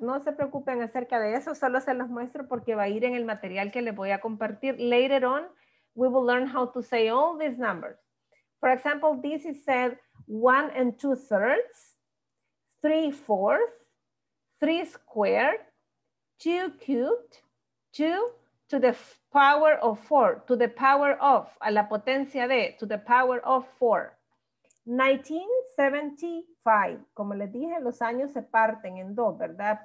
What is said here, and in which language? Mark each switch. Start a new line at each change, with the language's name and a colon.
Spanish: No se preocupen acerca de eso, solo se los muestro porque va a ir en el material que les voy a compartir.
English: Later on, we will learn how to say all these numbers. For example, this is said 1 2/3, 3/4, 3² 2³, 2 to the power of 4, to the power of,
Spanish: a la potencia de,
English: to the power of 4.
Spanish: 1975, como les dije, los años se parten en dos, ¿verdad?